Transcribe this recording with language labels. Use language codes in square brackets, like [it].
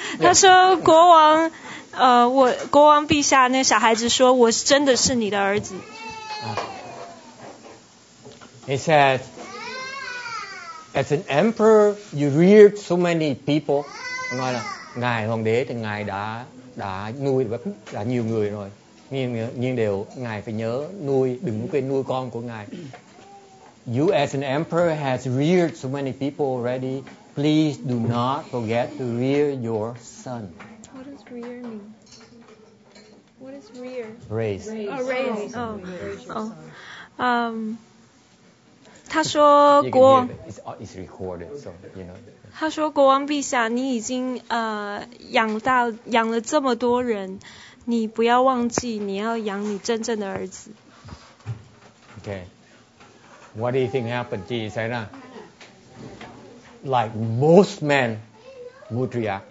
[zh] 他说国王，我国王陛下，那小孩子说我真的是你的儿子。 [en] He said, as an emperor, you reared so many people. [zh] 我说 [vi] ngài hoàng đế thì ngài đã nuôi đã nhiều người rồi nhưng đều ngài phải nhớ nuôi đừng quên nuôi con của ngài. [en] You as an emperor has reared so many people already. Please do not forget to rear your son. What does rear mean? What is rear? Raise. Raise. [zh] Oh. 他说国王。 [en] It's recorded, so you know. [zh] 他说：“国王陛下，你已经养了这么多人，你不要忘记你要养你真正的儿子。” [en] Okay, what do you think happened, Jisena? Like most men, would react.